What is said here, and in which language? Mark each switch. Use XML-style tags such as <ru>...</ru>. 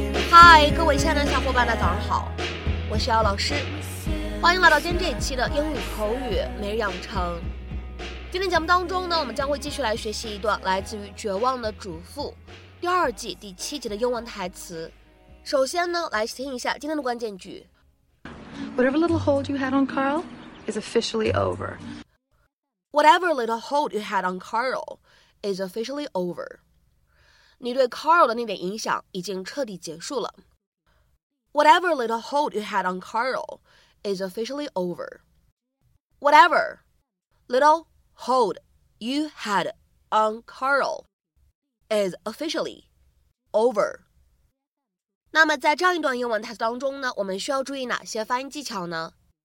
<zh>嗨，各位亲爱的小伙伴，大家早上好，我是姚老师，欢迎来到今天这一期的英语口语每日养成。今天节目当中呢，我们将会继续来学习一段来自于《绝望的主妇》第二季第七集的英文台词。首先呢，来听一下今天的关键句。</zh> <en>Whatever little hold you had on Carl is officially over. Whatever little hold you had on Carl is officially over.</en> <zh>你对 Carl 的那点影响已经彻底结束了。</zh> <en>Whatever little hold you had on Carl is officially over. Whatever little hold you had on Carl is officially over.</en> <zh>那么在这样一段英文台词当中呢，我们需要注意哪些发音技巧呢？</zh>